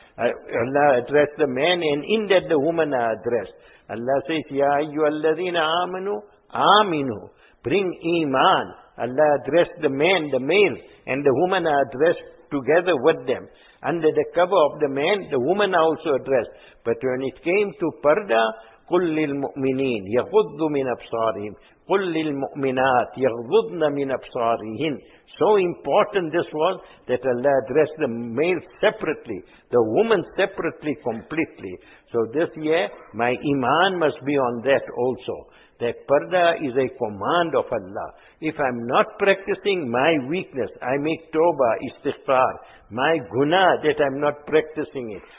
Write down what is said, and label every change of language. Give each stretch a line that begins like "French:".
English: Allah addressed the man and in that the woman are addressed.
Arabic: Allah says, Ya ayyuhalladhina amanu, aminu.
English: Bring iman. Allah addressed the man, the male, and the woman are addressed together with them. Under the cover of the man, the woman also addressed. But when it came to parda,
Arabic: قُلْ لِلْمُؤْمِنِينَ يَغُضُّ مِنْ أَبْصَارِهِمْ قُلْ لِلْمُؤْمِنَاتِ يَغْضُضْنَ مِنْ أَبْصَارِهِنْ.
English: So important this was, that Allah addressed the male separately, the woman separately, completely. So this year, my iman must be on that also. That parda is a command of Allah. If I'm not practicing my weakness, I make tawbah, istighfar, my guna, that I'm not practicing it.